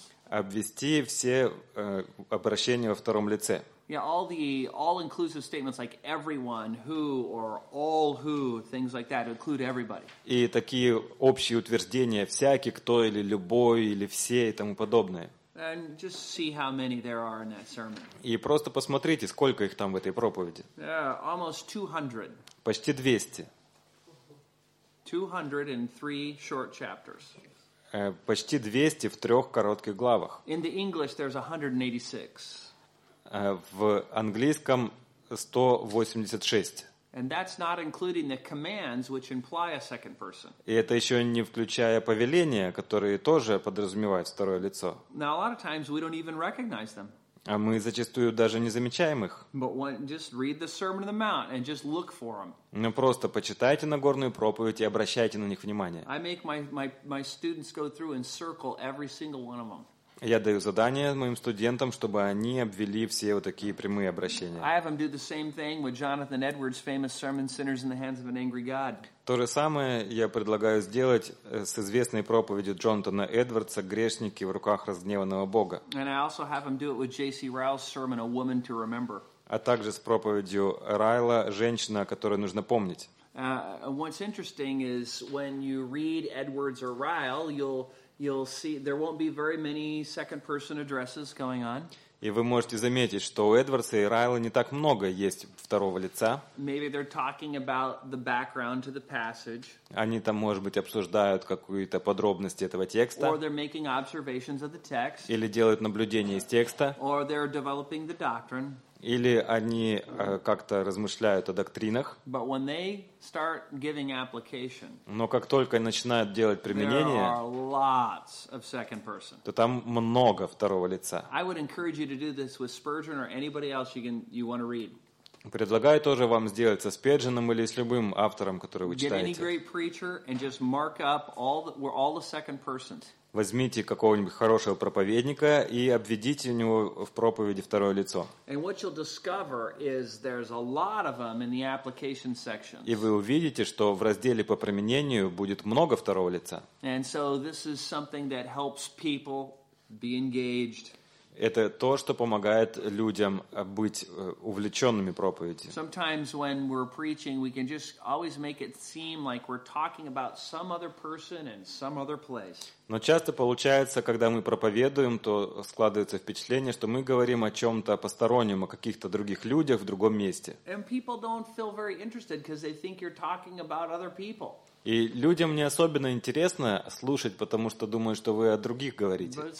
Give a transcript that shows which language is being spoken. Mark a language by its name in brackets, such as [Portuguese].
[Russian] Обвести все обращения во втором лице. [English] Yeah, all the all-inclusive statements like everyone, who, or all who, things like that, include everybody. [Russian] И такие общие утверждения, всякий, кто, или любой, или все, и тому подобное. [English] And just see how many there are in that sermon. [Russian] И просто посмотрите, сколько их там в этой проповеди. [English] Almost 200. [Russian] Почти 200. [English] 203 short chapters. [Russian] Почти 200 в трех коротких главах. [English] In the English, there's 186. [Russian] В английском 186. [English] And that's not including the commands, which imply a second person. [Russian] И это еще не включая повеления, которые тоже подразумевают второе лицо. [English] Now a lot of times we don't even recognize them. [Russian] А мы зачастую даже не замечаем их. [English] But just read the Sermon on the Mount and just look for them. [Russian] Ну просто почитайте Нагорную проповедь и обращайте на них внимание. [English] I make my students go through and circle every single one of them. [Russian] Я даю задание моим студентам, чтобы они обвели все вот такие прямые обращения. То же самое я предлагаю сделать с известной проповедью Джонатана Эдвардса «Грешники в руках разгневанного Бога». А также с проповедью Райла «Женщина, о которой нужно помнить». [English] What's interesting is when you read Edwards or Ryle, you'll see there won't be very many second person addresses going on. [Russian] И вы можете заметить, что у Эдвардса и Райла не так много есть второго лица. [English] Maybe they're talking about the background to the passage. [Russian] Они там, может быть, обсуждают какие-то подробности этого текста. [English] Or they're making observations of the text. [Russian] Или делают наблюдения из текста. [English] Or they're developing the doctrine. [Russian] Или они как-то размышляют о доктринах. [English] But when they start giving application, [Russian] но как только начинают делать применение, [English] there are lots of second person. [Russian] То там много второго лица. [English] I would encourage you to do this with Spurgeon or anybody else you want to read. [Russian] Предлагаю тоже вам сделать со Спедженом или с любым автором, который вы читаете. [English] Get any great preacher and just mark up all the second persons. [Russian] Возьмите какого-нибудь хорошего проповедника и обведите у него в проповеди второе лицо. [English] And what you'll discover is there's a lot of them in the application section. [Russian] И вы увидите, что в разделе по применению будет много второго лица. [English] And so this is something that helps people be engaged. [Russian] Это то, что помогает людям быть увлеченными проповедью. [English] Sometimes when we're preaching, we can just always make it seem like we're talking about some other person and some other place. [Russian] Но часто получается, когда мы проповедуем, то складывается впечатление, что мы говорим о чем-то постороннем, о каких-то других людях в другом месте. [English] And people don't feel very interested because they think you're talking about other people. [Russian] И людям не особенно интересно слушать, потому что думают, что вы о других говорите.